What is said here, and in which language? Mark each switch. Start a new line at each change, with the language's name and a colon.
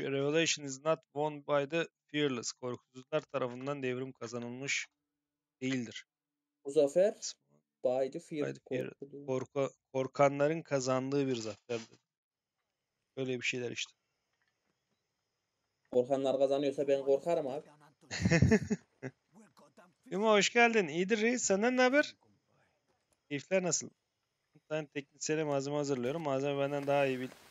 English: Revelation is not won by the fearless.
Turkish: Korkusuzlar tarafından devrim kazanılmış değildir. Bu zafer
English: by the fearless.
Turkish: Korkanların kazandığı bir zaferdir. Böyle bir şeyler işte. Korkanlar kazanıyorsa ben korkarım abi. Yuma hoş geldin. İyidir reis. Senden ne haber? Keyifler nasıl? Bir tane teknisyene malzeme hazırlıyorum. Malzeme benden daha iyi bil.